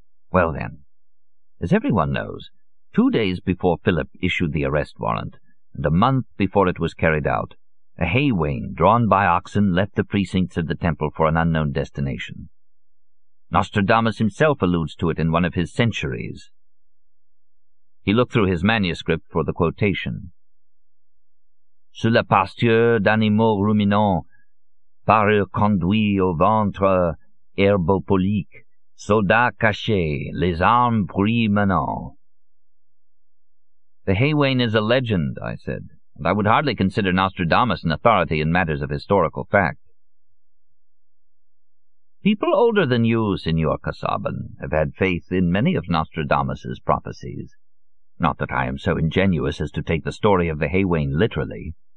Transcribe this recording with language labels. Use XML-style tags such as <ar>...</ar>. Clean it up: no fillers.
<en>Well then, as everyone knows, 2 days before Philip issued the arrest warrant, and a month before it was carried out, a hay wain drawn by oxen left the precincts of the temple for an unknown destination. Nostradamus himself alludes to it in one of his Centuries. He looked through his manuscript for the quotation.</en> <fr>Sous la pasture d'animaux ruminants, parurent conduits au ventre herbopolique, soldats cachés, les armes prises maintenant.</fr> <en>The Haywayne is a legend, I said, and I would hardly consider Nostradamus an authority in matters of historical fact. People older than you, Signor Casaubon, have had faith in many of Nostradamus's prophecies. Not that I am so ingenuous as to take the story of the Haywayne literally.</en>